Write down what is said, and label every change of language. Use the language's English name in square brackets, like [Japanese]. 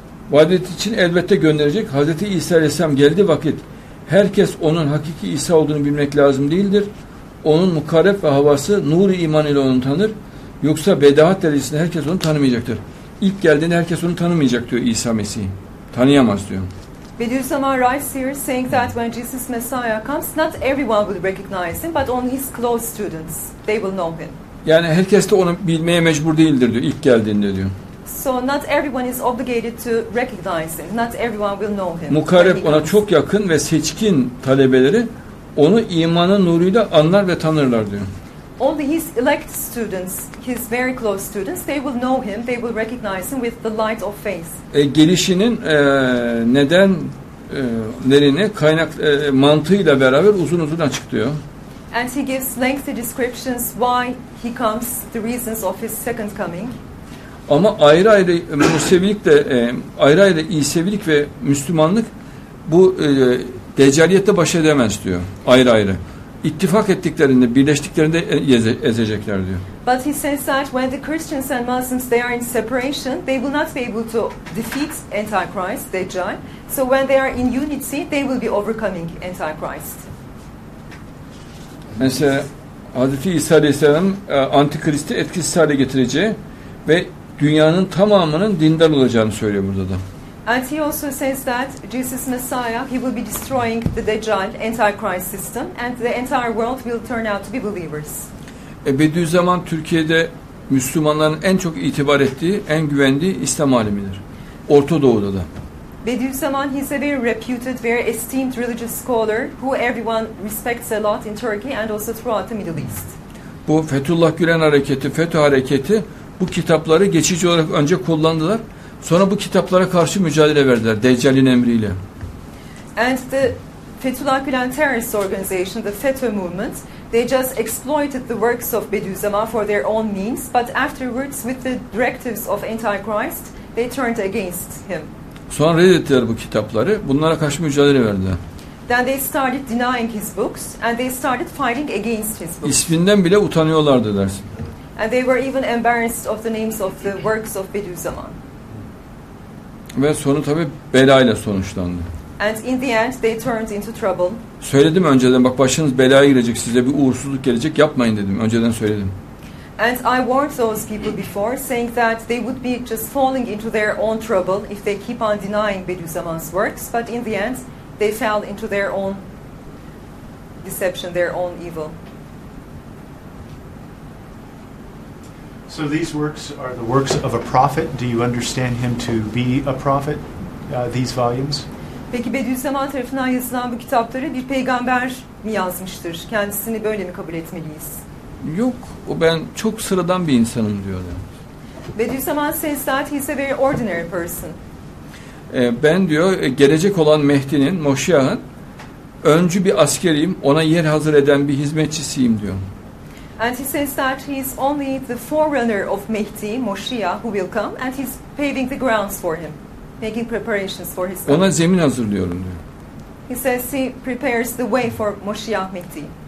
[Turkish] Vadet için elbette gönderecek. Hazreti İsa Aleyhisselam geldi vakit herkes onun hakiki İsa olduğunu bilmek lazım değildir. Onun mukarreb ve havası nur-i iman ile onu tanır. Yoksa bedahat derecesinde herkes onu tanımayacaktır. İlk geldiğinde herkes onu tanımayacak diyor İsa Mesih'i. Tanıyamaz diyor. [English] Bediüzzaman writes here saying that when Jesus Messiah comes, not everyone will recognize him, but only his close students, they will know him. [Turkish] Yani herkes de onu bilmeye mecbur değildir diyor, ilk geldiğinde diyor. [English] So not everyone is obligated to recognize him. Not everyone will know him. [Turkish] Mukarreb ona çok yakın ve seçkin talebeleri onu imanın nuruyla anlar ve tanırlar diyor. [English] Only his elect students, his very close students, they will know him, they will recognize him with the light of faith. [Turkish] Gelişinin nedenlerini mantığıyla beraber uzun uzun açıklıyor. [English] And he gives lengthy descriptions why he comes, the reasons of his second coming. [Turkish] Ama ayrı ayrı Musevilik de ayrı ayrı İsevilik ve Müslümanlık bu deccaliyette baş edemez diyor. Ayrı ayrı. İttifak ettiklerinde, birleştiklerinde ezecekler diyor. [English] But he says that when the Christians and Muslims they are in separation, they will not be able to defeat Antichrist, Deccal. So when they are in unity, they will be overcoming Antichrist. [Turkish] Mesela Hazreti İsa Aleyhisselam Antikrist'i etkisiz hale getireceği ve dünyanın tamamının dindar olacağını söylüyor burada da. [English] And he also says that Jesus Messiah, he will be destroying the Deccal, Antichrist system and the entire world will turn out to be believers. [Turkish] Bediüzzaman Türkiye'de Müslümanların en çok itibar ettiği, en güvendiği İslam alimidir. Orta Doğu'da da. [English] Bediüzzaman, he's a very reputed, very esteemed religious scholar who everyone respects a lot in Turkey and also throughout the Middle East. [Turkish] Bu Fethullah Gülen hareketi, FETÖ hareketi bu kitapları geçici olarak önce kullandılar. Sonra bu kitaplara karşı mücadele verdiler Deccal'in emriyle. [English] And the Fethullah Gülen terrorist organization, the FETÖ movement, they just exploited the works of Bediüzzaman for their own means, but afterwards with the directives of Antichrist, they turned against him. [Turkish] Sonra reddettiler bu kitapları. Bunlara karşı mücadele verdiler. [English] Then they started denying his books and they started fighting against his books. [Turkish] İsminden bile utanıyorlardı dersin. [English] And they were even embarrassed of the names of the works of Bediüzzaman. [Turkish] Ve sonu tabi belayla sonuçlandı. [English] And in the end they turned into trouble. [Turkish] Söyledim önceden, bak başınız belaya girecek, size bir uğursuzluk gelecek, yapmayın dedim. Önceden söyledim. [English] And I warned those people before, saying that they would be just falling into their own trouble if they keep on denying Bediüzzaman's works. But in the end they fell into their own deception, their own evil. So these works are the works of a prophet. Do you understand him to be a prophet, these volumes? [Turkish] Peki Bediüzzaman tarafından yazılan bu kitapları bir peygamber mi yazmıştır? Kendisini böyle mi kabul etmeliyiz? Yok, ben çok sıradan bir insanım diyor. [English] Bediüzzaman says that he's a very ordinary person. [Turkish] Ben diyor, gelecek olan Mehdi'nin, Moşiyah'ın öncü bir askeriyim, ona yer hazır eden bir hizmetçisiyim diyor. [English] And he says that he is only the forerunner of Mehdi, Moshiach, who will come, and he's paving the grounds for him, making preparations for his coming. [Turkish] Ona zemin hazırlıyorum diyor. [English] He says he prepares the way for Moshiach Mehdi.